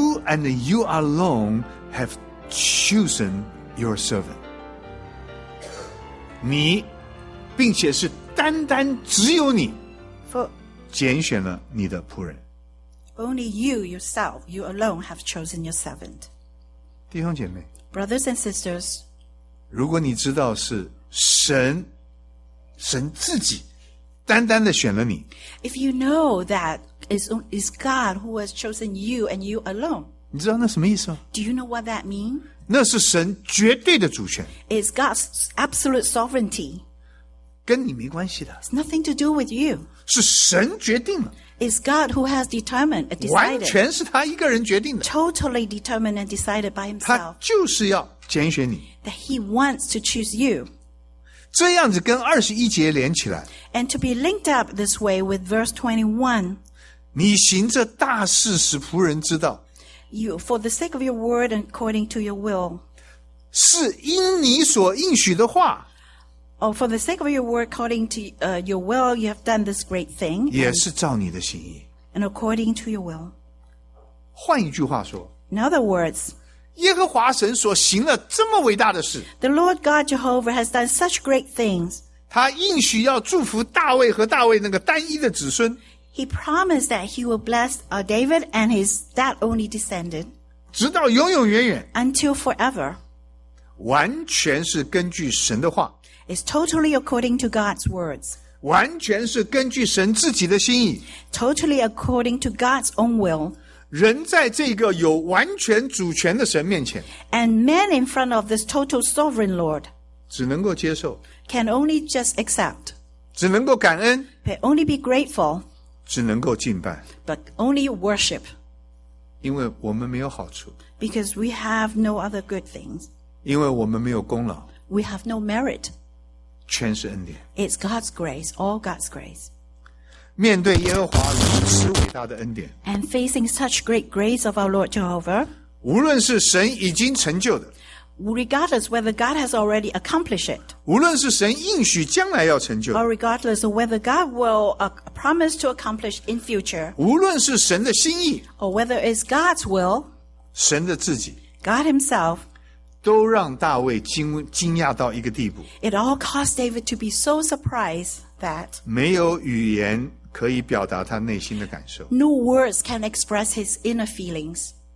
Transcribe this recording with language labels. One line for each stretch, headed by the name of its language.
English: And you alone have chosen your servant.
Chinese: 你并且是单单只有你拣选了你的仆人。
English: Only you yourself, you alone have chosen your servant.
Chinese: 弟兄姐妹，
English: Brothers and sisters,
Chinese: 如果你知道是神自己单单的选了你，
English: If you know that it's God who has chosen you and you alone,
Chinese: 你知道那什么意思吗？
English: Do you know what that mean?
Chinese: 那是神绝对的主权。
English: It's God's absolute sovereignty.
Chinese: 跟你没关系的。
English: It's nothing to do with you.
Chinese: 是神决定了。
English: It's God who has determined and decided.
Chinese: 完全是他一个人决定的。
English: Totally determined and decided by himself.
Chinese: 他就是要拣选你。
English: That he wants to choose you.
Chinese: 这样子跟二十一节连起来。
English: And to be linked up this way with verse 21.
Chinese: 你行这大事使仆人知道。
English: You, for the sake of your word and according to your will.
Chinese: 是因你所应许的话。
English: Oh, for the sake of your word, according to your will, you have done this great thing.
Chinese: 也是照你的心意。
English: And according to your will.
Chinese: 换一句话说。
English: In other words,
Chinese: 耶和华神所行了这么伟大的事。
English: The Lord God Jehovah has done such great things.
Chinese: 他应许要祝福大卫和大卫那个单一的子孙。
English: He promised that he will bless David and his that only descendant
Chinese: 直到永永远远
English: until forever.
Chinese: 完全是根据神的话
English: It's totally according to God's words.
Chinese: 完全是根据神自己的心意
English: Totally according to God's own will.
Chinese: 人在这个有完全主权的神面前
English: And man in front of this total sovereign Lord
Chinese: 只能够接受
English: Can only just accept.
Chinese: 只能够感恩
English: Can only be grateful.
Chinese: 只能够敬拜
English: But only worship.
Chinese: 因为我们没有好处
English: Because we have no other good things.
Chinese: 因为我们没有功劳
English: We have no merit.
Chinese: 全是恩典
English: It's God's grace, all God's grace.
Chinese: 面对耶和华如此伟大的恩典
English: And facing such great grace of our Lord Jehovah,
Chinese: 无论是神已经成就的
English: Regardless whether God has already accomplished it,
Chinese: 无论是神应许将来要成就
English: Or regardless of whether God will accomplish itPromise to accomplish in future.
Chinese: 无论是神的心意
English: or whether it's God's will,
Chinese: 神的自己
English: God himself,
Chinese: 都让大卫惊讶到一个地步
English: It all caused David to be so surprised that
Chinese: 没有语言可以表达他内心的感受
English: No words can express his inner feelings.